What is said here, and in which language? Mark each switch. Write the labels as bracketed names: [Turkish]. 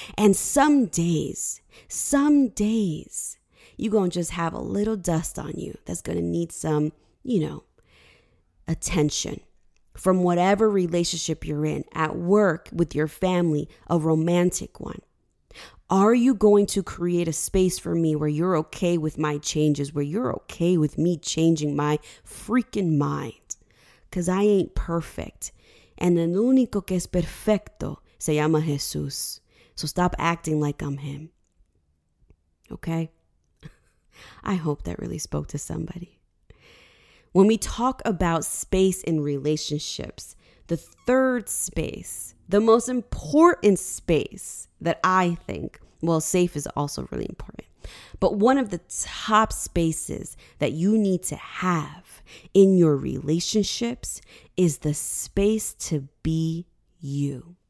[English] And some days, you're going to just have a little dust on you that's going to need some, you know, attention from whatever relationship you're in, at work, with your family, a romantic one. Are you going to create a space for me where you're okay with my changes, where you're okay with me changing my freaking mind? Because I ain't perfect. [Spanish] And el único que es perfecto se llama Jesús. [English] So stop acting like I'm him. Okay? I hope that really spoke to somebody. When we talk about space in relationships, the third space, the most important space that I think, well, safe is also really important, but one of the top spaces that you need to have in your relationships is the space to be you.